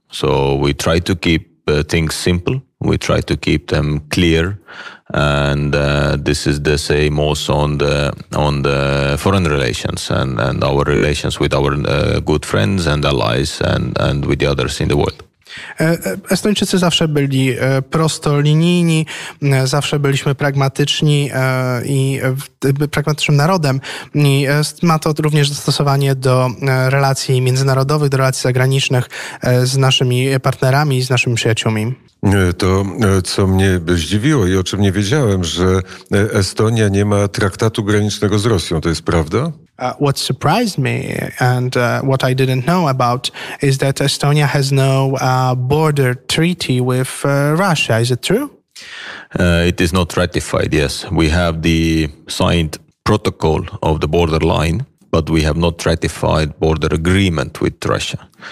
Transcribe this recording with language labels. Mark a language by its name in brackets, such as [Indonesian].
[English] So we try to keep things simple, we try to keep them clear, and this is the same also on the foreign relations and our relations with our good friends and allies and with the others in the world. [Polish] Estończycy zawsze byli prostolinijni, zawsze byliśmy pragmatyczni i pragmatycznym narodem. I ma to również zastosowanie do relacji międzynarodowych, do relacji zagranicznych z naszymi partnerami i z naszymi przyjaciółmi. To, co mnie zdziwiło i o czym nie wiedziałem, że Estonia nie ma traktatu granicznego z Rosją, to jest prawda? [English] What surprised me and what I didn't know about is that Estonia has no border treaty with Russia. Is it true? It is not ratified, yes. We have the signed protocol of the border line, but we have not ratified border agreement with Russia.